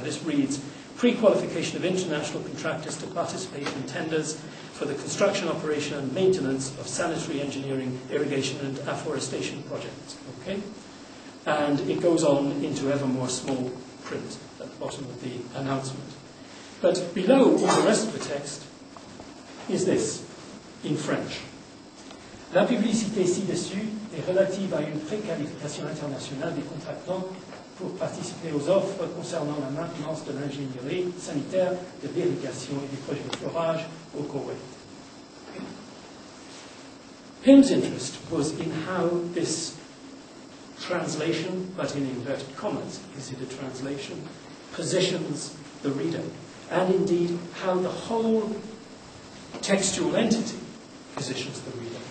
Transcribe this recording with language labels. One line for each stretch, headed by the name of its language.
English: This reads, pre-qualification of international contractors to participate in tenders for the construction, operation, and maintenance of sanitary engineering, irrigation, and afforestation projects. Okay? And it goes on into ever more small print at the bottom of the announcement. But below all the rest of the text is this, in French.
French: La publicité ci-dessus est relative à une préqualification internationale des contractants pour participer aux offres concernant la maintenance de l'ingénierie sanitaire, de l'irrigation et des projets de forage au Koweït.
English: Pym's interest was in how this translation, but in inverted commas, is it a translation, positions the reader, and indeed how the whole textual entity positions the reader.